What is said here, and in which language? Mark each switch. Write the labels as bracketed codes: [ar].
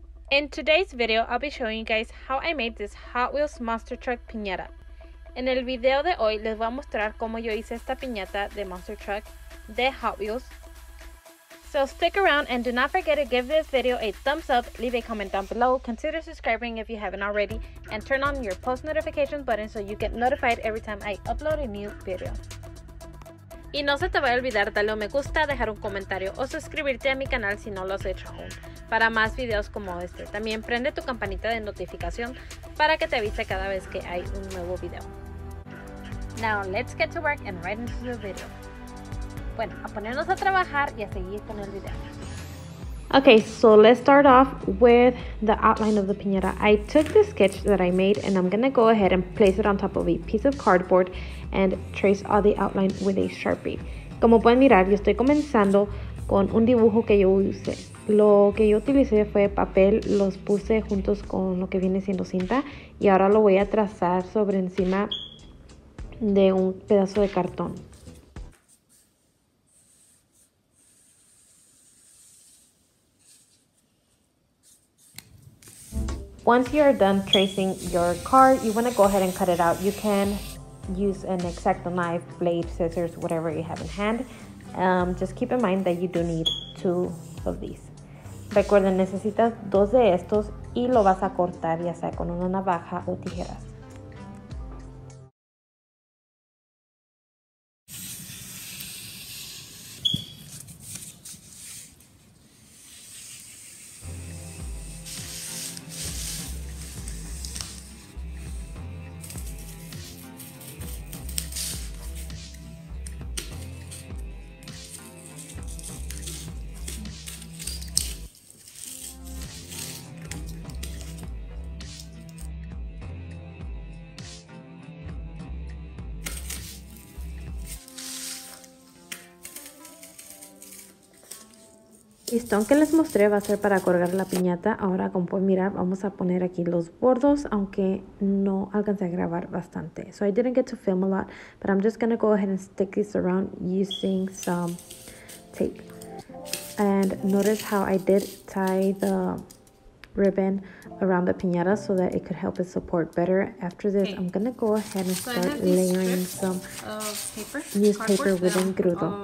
[en] In today's video, I'll be showing you guys how I made this Hot Wheels Monster Truck piñata. [es] En el video de hoy, les voy a mostrar cómo yo hice esta piñata de Monster Truck de Hot Wheels. [en] So stick around and do not forget to give this video a thumbs up, leave a comment down below, consider subscribing if you haven't already, and turn on your post notification button so you get notified every time I upload a new video. [es] Y no se te vaya a olvidar darle un me gusta, dejar un comentario o suscribirte a mi canal si no lo has hecho aún. Para más videos como este, también prende tu campanita de notificación para que te avise cada vez que hay un nuevo video. [en] Now let's get to work and right into the video. [es] Bueno, a ponernos a trabajar y a seguir con el video. [en] Okay, so let's start off with the outline of the piñata. I took the sketch that I made and I'm gonna go ahead and place it on top of a piece of cardboard and trace all the outline with a Sharpie. [es] Como pueden mirar, yo estoy comenzando con un dibujo que yo usé. Lo que yo utilicé fue papel, los puse juntos con lo que viene siendo cinta y ahora lo voy a trazar sobre encima de un pedazo de cartón. [en] Once you are done tracing your card, you want to go ahead and cut it out. You can use an X-Acto knife, blade, scissors, whatever you have in hand. Just keep in mind that you do need two of these. [es] Recuerden, necesitas dos de estos y lo vas a cortar ya sea con una navaja o tijeras. El listón que les mostré va a ser para colgar la piñata. Ahora, como pueden mirar, vamos a poner aquí los bordos, aunque no alcancé a grabar bastante. [en] So I didn't get to film a lot, but I'm just gonna go ahead and stick this around using some tape. And notice how I did tie the ribbon around the piñata so that it could help it support better. After this, okay. I'm gonna go ahead and start layering some newspaper with engrudo.